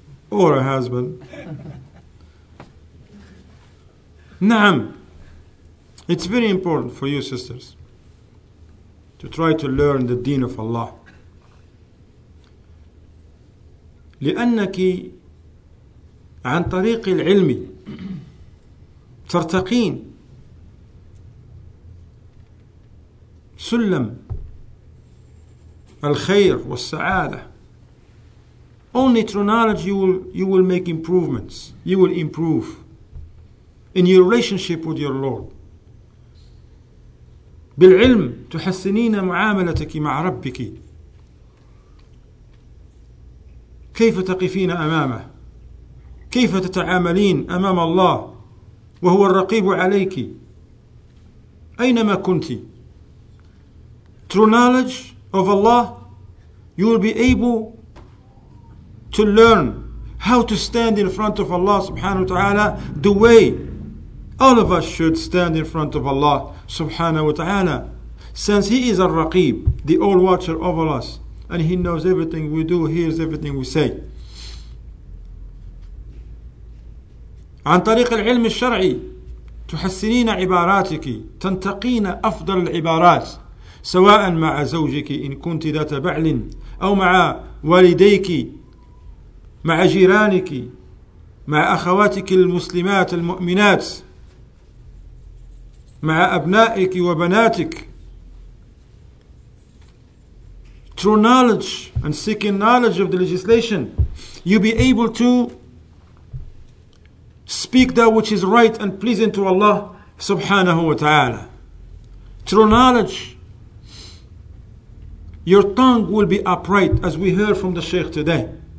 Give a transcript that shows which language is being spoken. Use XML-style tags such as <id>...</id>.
<en>Or a husband. Naam. It's very important for you sisters to try to learn the deen of Allah.</en> <ar>لأنك عن طريق العلم ترتقين سلم الخير والسعادة.</ar> <en>Only through knowledge you will make improvements. You will improve in your relationship with your Lord.</en> <ar>بالعلم تحسنين معاملتك مع ربك. كيف تقفين أمامه؟ كيف تتعاملين أمام الله وهو الرقيب عليك أينما كنت؟</ar> <en>Through knowledge of Allah, you will be able to learn how to stand in front of Allah subhanahu wa ta'ala the way all of us should stand in front of Allah subhanahu wa ta'ala. Since He is al-Raqib, the all-watcher over us, and He knows everything we do, hears everything we say.</en> <ar>عن طريق العلم الشرعي تحسنين عباراتك تنتقين أفضل العبارات سواء مع زوجك إن كنت ذات بعل أو مع والديك مع جيرانك مع أخواتك المسلمات المؤمنات مع أبنائك وبناتك.</ar> <en>Through knowledge and seeking knowledge of the legislation, you'll be able to speak that which is right and pleasing to Allah subhanahu wa ta'ala. Through knowledge, your tongue will be upright, as we heard from the Shaykh today.</en>